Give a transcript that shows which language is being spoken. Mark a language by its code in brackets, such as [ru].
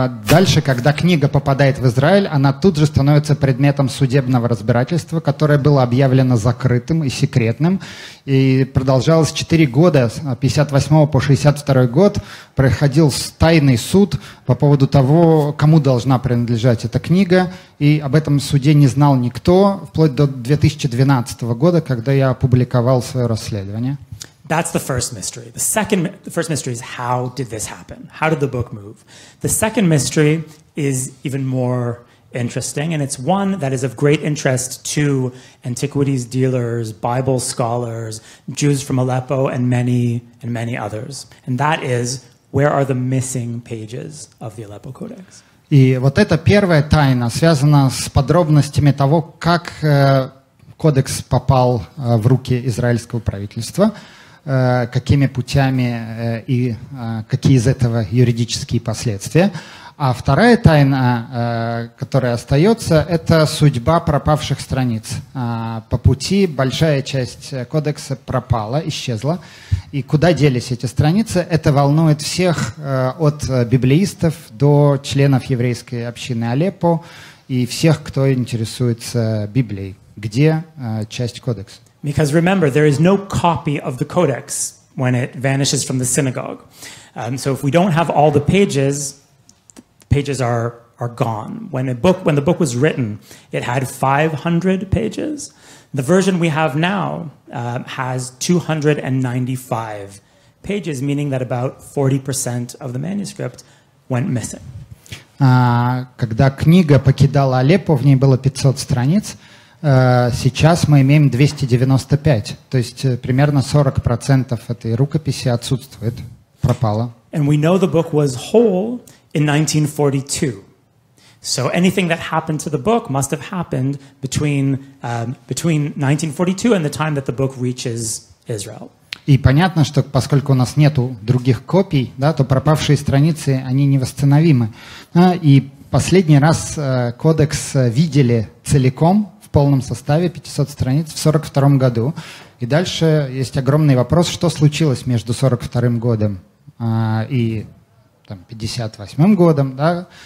[ru] Дальше, когда книга попадает в Израиль, она тут же становится предметом судебного разбирательства, которое было объявлено закрытым и секретным, и продолжалось 4 года, с 58 по 62 год, проходил тайный суд по поводу того, кому должна принадлежать эта книга, и об этом суде не знал никто, вплоть до 2012 года, когда я опубликовал свое расследование. [en] That's the first mystery. The first mystery is, how did this happen? How did the book move? The second mystery is even more interesting, and it's one that is of great interest to antiquities dealers, Bible scholars, Jews from Aleppo, and many others. And that is, where are the missing pages of the Aleppo Codex? [ru] И вот эта первая тайна связана с подробностями того, как кодекс попал в руки израильского правительства, какими путями и какие из этого юридические последствия. А вторая тайна, которая остается, это судьба пропавших страниц. По пути большая часть кодекса пропала, исчезла. И куда делись эти страницы? Это волнует всех, от библеистов до членов еврейской общины Алеппо и всех, кто интересуется Библией. Где часть кодекса? [en] Because remember, there is no copy of the codex when it vanishes from the synagogue. So if we don't have all the pages, the pages are gone. When the book was written, it had 500 pages. The version we have now has 295 pages, meaning that about 40% of the manuscript went missing. [ru] Когда книга покидала Алеппо, в ней было 500 страниц. Сейчас мы имеем 295, то есть примерно 40% этой рукописи отсутствует, пропало. [en] And we know the book was whole in 1942. So anything that happened to the book must have happened between 1942 and the time that the book reaches Israel. [ru] И понятно, что поскольку у нас нету других копий, да, то пропавшие страницы, они невосстановимы. И последний раз кодекс видели целиком, в полном составе, 500 страниц, в 42-м году. И дальше есть огромный вопрос, что случилось между 42-м годом и там, 58-м годом, да?